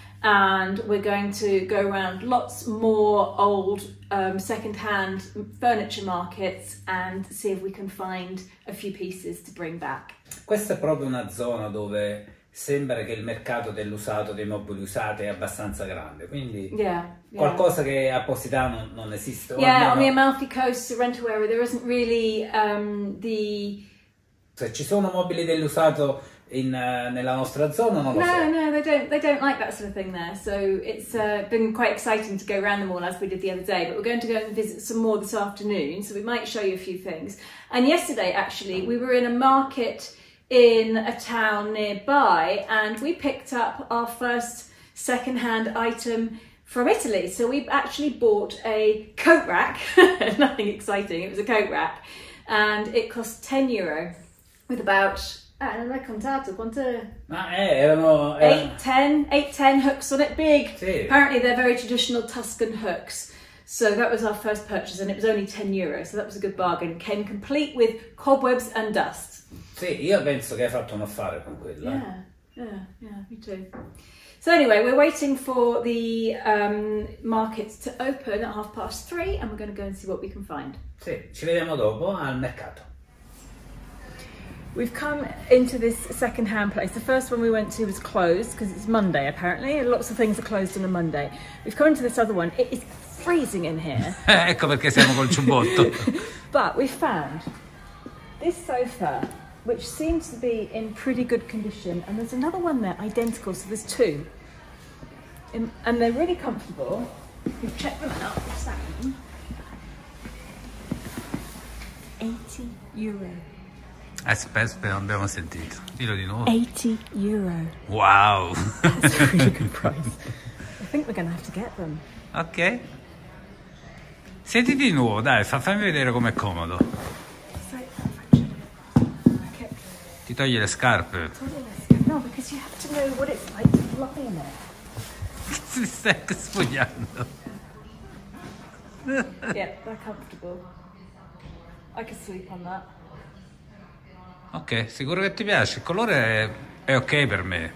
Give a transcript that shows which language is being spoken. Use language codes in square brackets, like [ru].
[en] And we're going to go around lots more old second-hand furniture markets and see if we can find a few pieces to bring back. [it] Questa è proprio una zona dove sembra che il mercato dell'usato, dei mobili usati, è abbastanza grande. Quindi qualcosa che a Positano non esiste. [en] Yeah, [it] almeno... [en] on the Amalfi coast, Sorrento area, there isn't really the... [it] Cioè, ci sono mobili dell'usato... nella nostra zona, non lo so. [en] No, they don't like that sort of thing there. So it's been quite exciting to go around them all as we did the other day. But we're going to go and visit some more this afternoon. So we might show you a few things. And yesterday, actually, we were in a market in a town nearby and we picked up our first secondhand item from Italy. So we actually bought a coat rack. Nothing exciting. It was a coat rack. And it cost 10 euro with about... [it] Ah, non l'hai contato, quanto? Ma erano... [en] 8-10 hooks on it, big. [it] Sì. [en] Apparently they're very traditional Tuscan hooks. So that was our first purchase and it was only 10 euro, so that was a good bargain. Came complete with cobwebs and dust. [it] Sì, io penso che hai fatto un affare con quella. [en] Yeah, me too. So anyway, we're waiting for the markets to open at 3:30 and we're going to go and see what we can find. [it] Sì, ci vediamo dopo al mercato. [en] We've come into this second-hand place. The first one we went to was closed because it's Monday, apparently. Lots of things are closed on a Monday. We've come into this other one. It is freezing in here. [it] Ecco perché siamo col ciubbotto. [en] But we found this sofa, which seems to be in pretty good condition. And there's another one there, identical. So there's two. And they're really comfortable. We've checked them out for a second. 80 euro. [it] Aspetta, abbiamo sentito. Dillo di nuovo. [en] 80 euro. Wow. That's a really good price. I think we're going to have to get them. Ok. [it] Senti di nuovo, dai, fammi vedere com'è comodo. Ti togli le scarpe. [en] No, because you have to know what it's like to fly in it. [it] Che ti stai sfogliando? [en] Yeah, they're comfortable. I can sleep on that. [it] Ok, sicuro che ti piace. Il colore è ok per me.